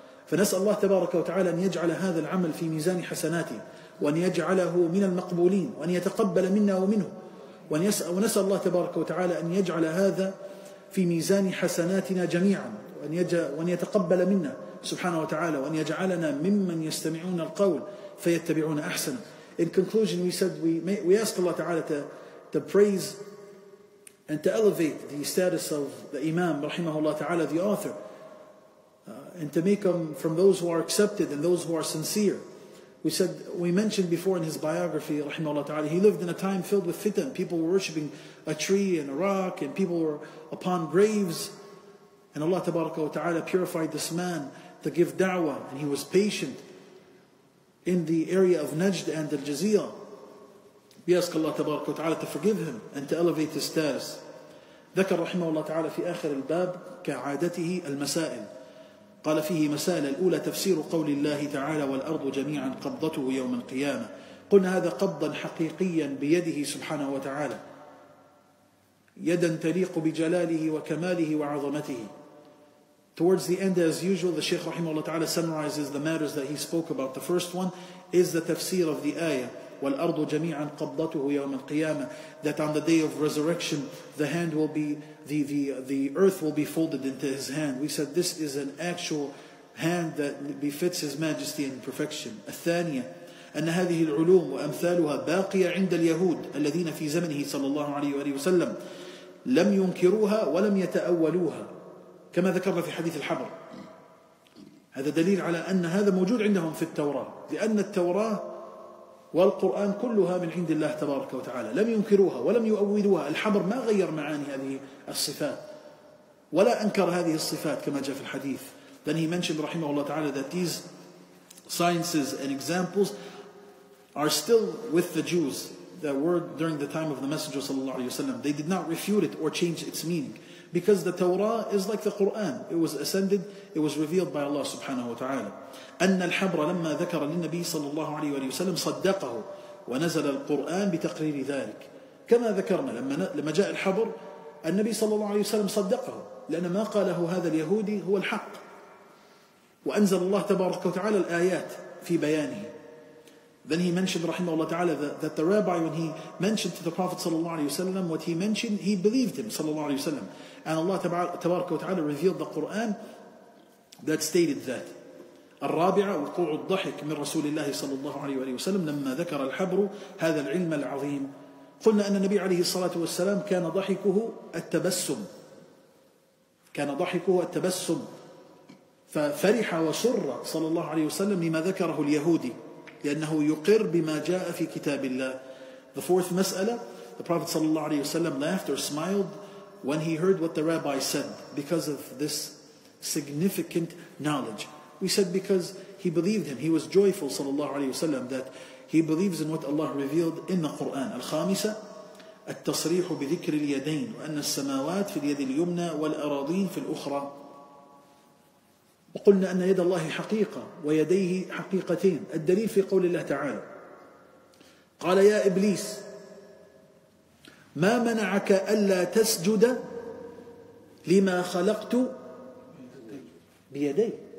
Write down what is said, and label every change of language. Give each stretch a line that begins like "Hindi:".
Arabic: فنسأل الله تبارك وتعالى أن يجعل هذا العمل في ميزان حسناته، وأن يجعله من المقبولين، وأن يتقبل منا ومنه، ونسأل الله تبارك وتعالى أن يجعل هذا في ميزان حسناتنا جميعا، وأن يتقبل منا سبحانه وتعالى، وأن يجعلنا ممن يستمعون القول فيتبعون أحسن.
English: In conclusion, we said we ask Allah Ta'ala to praise and to elevate the status of the Imam, rahimahullah ta'ala, the author, and to make him from those who are accepted and those who are sincere. We said, we mentioned before in his biography, rahimahullah ta'ala, he lived in a time filled with fitan. People were worshipping a tree and a rock, and people were upon graves. And Allah tabaraka wa ta'ala purified this man to give da'wah, and he was patient in the area of Najd and al-Jazeera. We ask Allah tabaraka wa ta'ala to forgive him and to elevate his status.
Arabic: ذكر رحمه الله تعالى في آخر الباب كعادته المسائل. قال فيه مسائل الأولى تفسير قول الله تعالى والأرض جميعا قبضته يوم القيامة. قلنا هذا قبضا حقيقيا بيده سبحانه وتعالى. يدا تليق بجلاله وكماله وعظمته.
English: Towards the end, as usual, the Shaykh rahimahullah ta'ala summarizes the matters that he spoke about. The first one is the tafsir of the ayah,
Arabic: وَالْأَرْضُ جَمِيعًا قَبْضَتُهُ يَوْمَ الْقِيَامَةِ,
English: that on the day of resurrection, the hand will be, the earth will be folded into his hand. We said this is an actual hand that befits his majesty and perfection.
Arabic: الثانية, أَنَّ هَذِهِ الْعُلُومُ وَأَمْثَالُهَا بَاقِيَةٌ عِنْدَ الْيَهُودِ الَّذِينَ فِي زَمَنِهِ صلى الله عليه وآله وسلم لَمْ يُنْكِرُوهَا وَلَمْ يَتَأَوَّلُوهَا كما ذكرنا في حديث الحبر. هذا دليل على أن هذا موجود عندهم في التوراة, لأن التوراة والقرآن كلها من عند الله تبارك وتعالى. لم ينكروها ولم يؤودوها. الحبر ما غير معاني هذه الصفات ولا أنكر هذه الصفات كما جاء في الحديث.
English: Then he mentioned رحمه الله تعالى that these sciences and examples are still with the Jews that were during the time of the Messenger صلى الله عليه وسلم. They did not refute it or change its meaning, because the Torah is like the Quran. It was ascended, it was revealed by Allah subhanahu wa ta'ala.
Arabic: أَنَّ الْحَبْرَ لَمَّا ذَكَرَ لِلنَّبِي صَلَى اللَّهُ عَلَيْهُ وَلَيْهُ وَسَلَمْ صَدَّقَهُ وَنَزَلَ الْقُرْآنِ بِتَقْرِيرِ ذَلِكَ كما ذكرنا لما جاء الحبر النبي صلى الله عليه وسلم صدقه, لأن ما قاله هذا اليهودي هو الحق, وأنزل الله تبارك وتعالى الآيات في بيانه.
English: Then he mentioned, رحمه الله تعالى, that the rabbi, when he mentioned to the Prophet صلى الله عليه وسلم what he mentioned, he believed him صلى الله عليه وسلم. And Allah تبارك وتعالى revealed the Quran that stated that.
Arabic: الرابعة وقوع الضحك من رسول الله صلى الله عليه وسلم لما ذكر الحبر هذا العلم العظيم. قلنا أن النبي عليه الصلاة والسلام كان ضحكه التبسم, كان ضحكه التبسم, ففرح وسر صلى الله عليه وسلم لما ذكره اليهودي, لأنه يقر بما جاء في كتاب الله.
English: The fourth مسألة, the Prophet صلى الله عليه وسلم laughed or smiled when he heard what the rabbi said because of this significant knowledge. We said because he believed him, he was joyful صلى الله عليه وسلم that he believes in what Allah revealed in the Quran.
Arabic: الخامسة, التصريح بذكر اليدين وأن السماوات في اليد اليمنى والأراضين في الأخرى. وقلنا أن يد الله حقيقة ويديه حقيقتين. الدليل في قول الله تعالى قال يا إبليس ما منعك ألا تسجد لما خلقت بيدي.